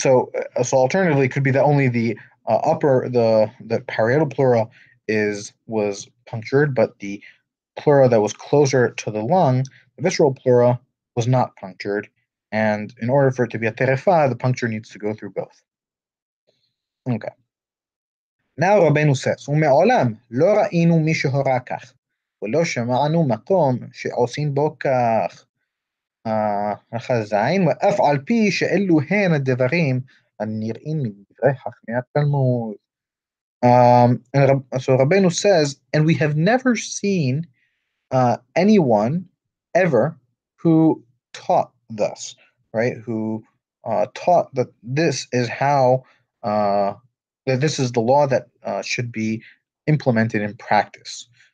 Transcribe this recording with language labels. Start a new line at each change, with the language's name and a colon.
English: So alternatively, it could be that only the parietal pleura was punctured, but the pleura that was closer to the lung, the visceral pleura, was not punctured. And in order for it to be a terefa, the puncture needs to go through both. Okay. Now Rabbeinu says,
Hebrew: ומעולם לא ראינו מי שהורה כך, ולא שמענו מקום שעושים בו כך. החזיים, ואף על פי שאלו הן הדברים הנראים מדברי חכמי התלמוד.
English: So Rabbeinu says, and we have never seen anyone ever who taught thus, right? Who taught that this is how that this is the law that should be implemented in practice.